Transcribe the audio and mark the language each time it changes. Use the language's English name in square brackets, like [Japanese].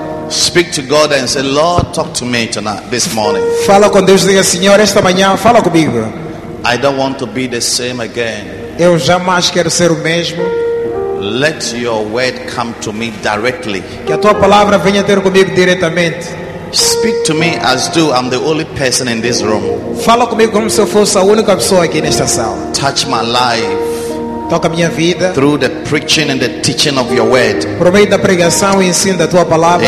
[English] Speak to God and say, Lord, talk to me tonight, this morning. [Portuguese] Fala com Deus e diga, Senhor, esta manhã, fala comigo. [English] I don't want to be the same again. [Portuguese] Eu jamais quero ser o mesmo. [English] Let your word come to me directly. [Portuguese] Que a tua palavra venha ter comigo diretamente. [English] Speak to me as though I'm the only person in this room. [Portuguese] Fala comigo como se eu fosse a única pessoa aqui nesta sala. [English] Touch my life. [Portuguese] Toca minha vida. [English] Through the preaching and the teaching of your word. [Portuguese] Por meio da pregação e ensino da tua palavra.